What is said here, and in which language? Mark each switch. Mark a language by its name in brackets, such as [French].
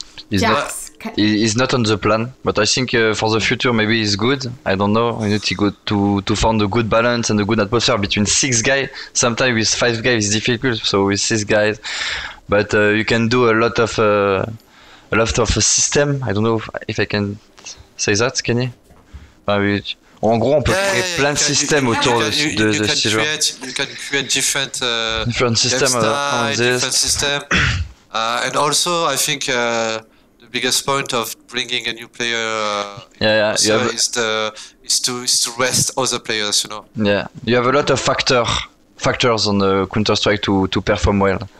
[English] He's not on the plan, but I think for the future maybe he's good. I don't know. We need to go to find a good balance and a good atmosphere between six guys. Sometimes with five guys it's difficult, so with six guys. But you can do a lot of system. I don't know if I can say that, Kenny. [French] En gros, on peut créer plein de systèmes autour de ce joueur. [English] You can create different systems on this. Different system. And also, I think the biggest point of bringing a new player is to rest other players, you know. Yeah, you have a lot of factors on Counter-Strike to perform well.